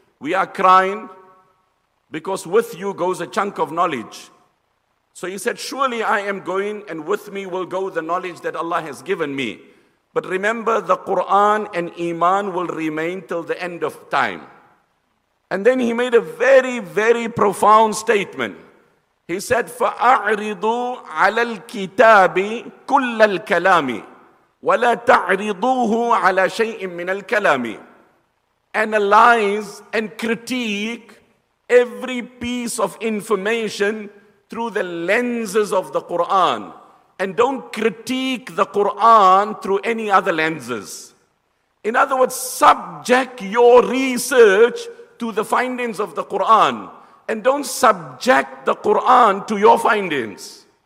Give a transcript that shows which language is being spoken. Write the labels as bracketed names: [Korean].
[English] We are crying because with you goes a chunk of knowledge. So he said, surely I am going and with me will go the knowledge that Allah has given me. But remember, the Quran and Iman will remain till the end of time. And then he made a very, very profound statement. He said, [Arabic] فَأَعْرِضُوا عَلَى الْكِتَابِ كُلَّ الْكَلَامِ وَلَا تَعْرِضُوهُ عَلَى شَيْءٍ مِّنَ الْكَلَامِ. [English] Analyze and critique every piece of information through the lenses of the Quran. And don't critique the Quran through any other lenses. In other words, subject your research to the findings of the Quran, and don't subject the Quran to your findings.